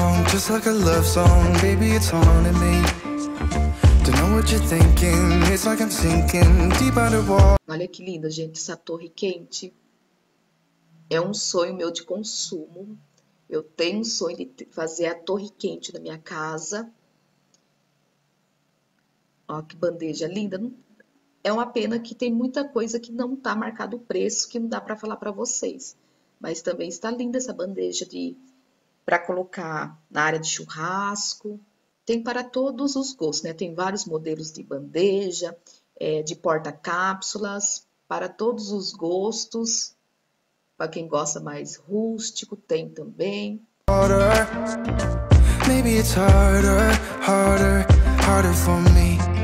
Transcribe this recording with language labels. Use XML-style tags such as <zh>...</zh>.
<en>Just like a love song, baby, it's haunting me. Don't know what you're thinking, it's like I'm sinking deep underwater.</en> <pt>Olha que linda, gente, essa torre quente. É um sonho meu de consumo. Eu tenho um sonho de fazer a torre quente na minha casa. Ó, que bandeja linda. É uma pena que tem muita coisa que não tá marcado o preço, que não dá para falar para vocês. Mas também está linda essa bandeja de para colocar na área de churrasco. Tem para todos os gostos, né? Tem vários modelos de bandeja, de porta-cápsulas, para todos os gostos. Para quem gosta mais rústico, tem também.</pt> <en>Maybe it's harder, harder, harder for me.</en>